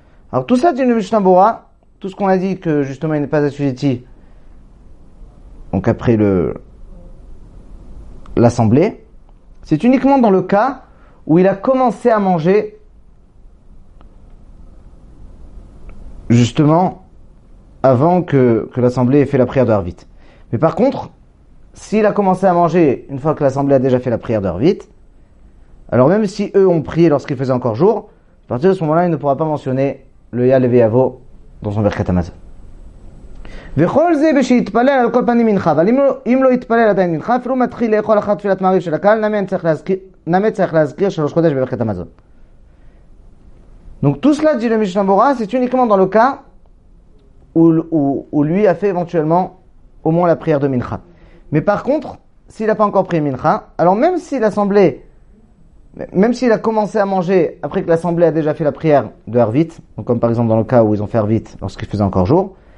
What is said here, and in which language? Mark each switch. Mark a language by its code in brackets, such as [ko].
[fr] Alors tout ça dit le Mishnah Berurah, tout ce qu'on a dit que justement il n'est pas assujetti, donc après l'assemblée, c'est uniquement dans le cas où il a commencé à manger justement avant que l'assemblée ait fait la prière de Arvit. Mais par contre, s'il a commencé à manger une fois que l'assemblée a déjà fait la prière de Arvit, alors même si eux ont prié lorsqu'il faisait encore jour, à partir de ce moment-là, il ne pourra pas mentionner le Yalev et Yavo dans son Birkat Amazon. [he] וכל זה בשיתפלל על כל פנים מנחה, אבל אם לא יתפלל עדיין מנחה, אפילו מתחיל לאכול אחר תפילת מעריב של הקהל, נמי צריך להזכיר שלוש חודש בברכת המזון. [fr] Donc tout cela dit le Mishnah Berurah, c'est uniquement dans le cas où lui a fait éventuellement au moins la prière de Mincha. Mais par contre, s'il n'a pas encore pris mincha, alors même si l'assemblée, même s'il a commencé à manger après que l'assemblée a déjà fait la prière de Arvit, donc comme par exemple dans le cas où ils ont fait Arvit lorsqu'il faisait encore jour,